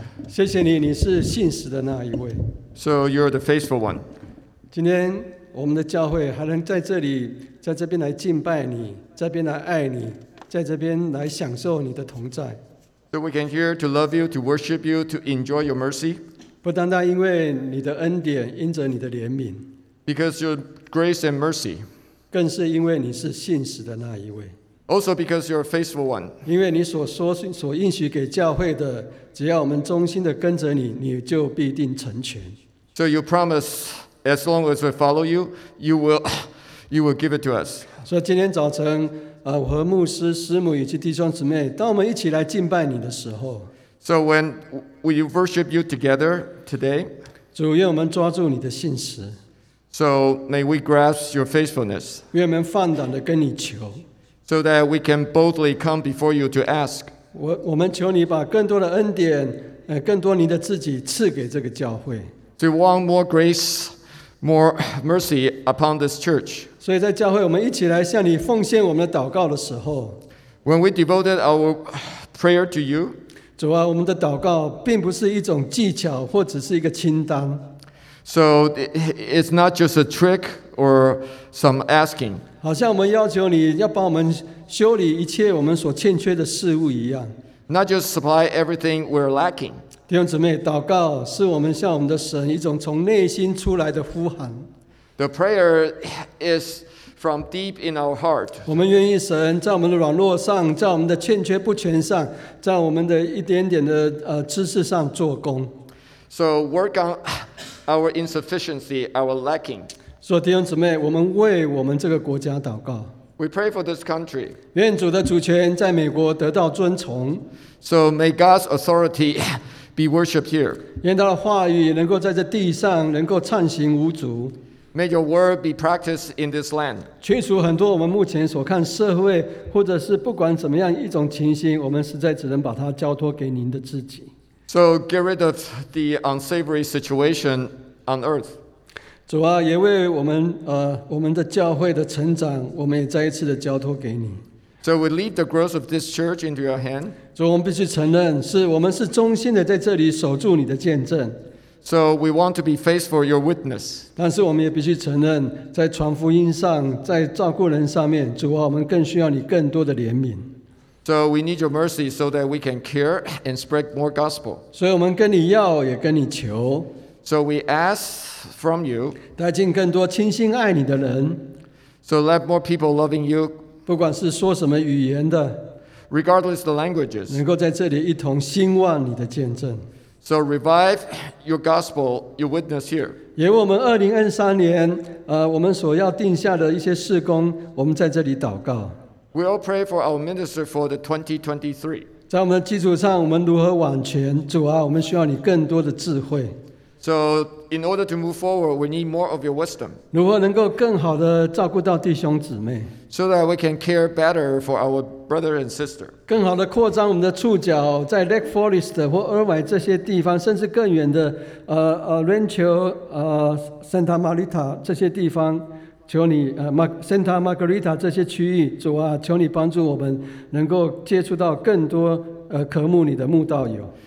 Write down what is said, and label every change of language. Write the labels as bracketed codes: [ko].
[zh] 谢谢你，你是信实的那一位。 [en] So you're the faithful one。 [zh] 今天我们的教会还能在这里，在这边来敬拜你，在这边来爱你，在这边来享受你的同在。 [en] So we can here to love you, to worship you, to enjoy your mercy。 [zh] 不单单因为你的恩典，因着你的怜悯， [en] Because your grace and mercy， [zh] 更是因为你是信实的那一位。 [en] Also because you're a faithful one. [zh] 因为你所说所应许给教会的，只要我们忠心的跟着你，你就必定成全。 [en] So you promise as long as we follow you, you will give it to us. [zh] 所以今天早晨，我和牧师、师母以及弟兄姊妹，当我们一起来敬拜你的时候， [en] So when we worship you together today, [zh] 主，愿我们抓住你的信实。 [en] So may we grasp your faithfulness. [zh] 愿我们放胆的跟你求。 [en] So that we can boldly come before you to ask. [zh] 我们求你把更多的恩典，更多你的自己赐给这个教会。 [en] To want more grace, more mercy upon this church. [zh] 所以在教会，我们一起来向你奉献我们的祷告的时候， [en] When we devoted our prayer to you, [zh] 主啊，我们的祷告并不是一种技巧或只是一个清单。 [en] So it's not just a trick or some asking. [zh] 好像我们要求你要帮我们修理一切我们所欠缺的事物一样。 [en] Not just supply everything we're lacking. [zh] 弟兄姊妹，祷告是我们向我们的神一种从内心出来的呼喊。 [en] The prayer is from deep in our heart. [zh] 我们愿意神在我们的软弱上，在我们的欠缺不全上，在我们的一点点的知识上做工。 [en] So work on our insufficiency, our lacking. [zh] 所以弟兄姊妹，我们为我们这个国家祷告。 [en] We pray for this country. [zh] 愿主的主权在美国得到尊崇。 [en] So may God's authority be worshipped here. [zh] 愿他的话语能够在这地上能够畅行无阻。 [en] May your word be practiced in this land. [zh] 去除很多我们目前所看社会或者是不管怎么样一种情形，我们实在只能把它交托给您的自己。 [en] So get rid of the unsavory situation on earth. [zh] 主啊，也为我们的教会的成长，我们也再一次的交托给你。 [en] So we leave the growth of this church into your hand. [zh] 主，我们必须承认，是我们是忠心的在这里守住你的见证。 [en] So we want to be faithful your witness. [zh] 但是我们也必须承认，在传福音上，在照顾人上面，主啊，我们更需要你更多的怜悯。 [en] So we need your mercy so that we can care and spread more gospel. [zh] 所以我们跟你要，也跟你求。 [en] So we ask from you, [zh] 带进更多倾心爱你的人。 [en] So let more people loving you, [zh] 不管是说什么语言的， [en] regardless the languages, [zh] 能够在这里一同兴旺你的见证。 [en] So revive your gospel, your witness here. [zh] 也为我们2023年，我们所要定下的一些事工，我们在这里祷告。 [en] We all pray for our minister for the 2023. [zh] 在我们的基础上，我们如何往前？主啊，我们需要你更多的智慧。 [en] So in order to move forward, we need more of your wisdom. [zh] 如何能够更好的照顾到弟兄姊妹？ [en] So that we can care better for our brother and sister. [zh] 更好的扩张我们的触角，在 Lake Forest 或 Irvine 这些地方，甚至更远的Rancho Santa Marita 这些地方，求你Santa Margarita 这些区域，主啊，求你帮助我们能够接触到更多渴慕你的慕道友。